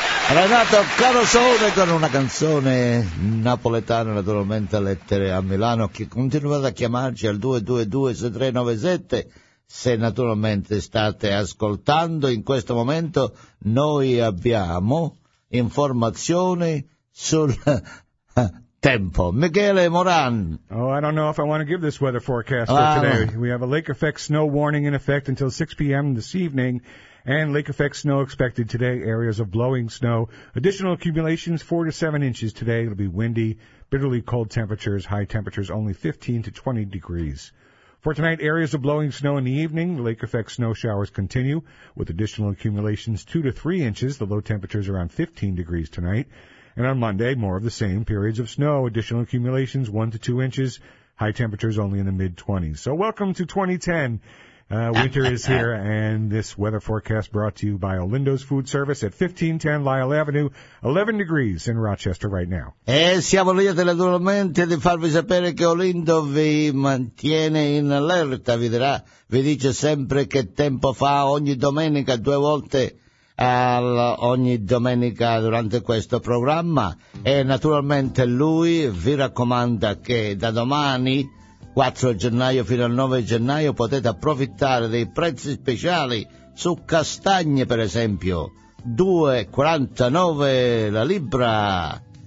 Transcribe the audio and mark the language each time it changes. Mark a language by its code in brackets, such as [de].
[it] Renato Carosone con una canzone napoletana, naturalmente Lettere a Milano, che continuate a chiamarci al 222-6397 se naturalmente state ascoltando. In questo momento noi abbiamo informazioni sul tempo. Michele Moran. [en] Oh, I don't know if I want to give this weather forecast for today. We have a lake effect snow warning in effect until 6 p.m. this evening. And lake effect snow expected today, areas of blowing snow. Additional accumulations, 4 to 7 inches today. It'll be windy, bitterly cold temperatures, high temperatures only 15 to 20 degrees. For tonight, areas of blowing snow in the evening. Lake effect snow showers continue with additional accumulations, 2 to 3 inches. The low temperatures around 15 degrees tonight. And on Monday, more of the same, periods of snow, additional accumulations, 1 to 2 inches. High temperatures only in the mid-20s. So welcome to 2010. Winter is here, and this weather forecast brought to you by Olindo's Food Service at 1510 Lyle Avenue, 11 degrees in Rochester right now. [it] E siamo lieti naturalmente di farvi sapere che Olindo vi mantiene in allerta, vi dice sempre che tempo fa ogni domenica, due volte ogni domenica durante questo programma, e naturalmente lui vi raccomanda che da domani, 4 gennaio fino al 9 gennaio, potete approfittare dei prezzi speciali su castagne, per esempio 2,49 la libra,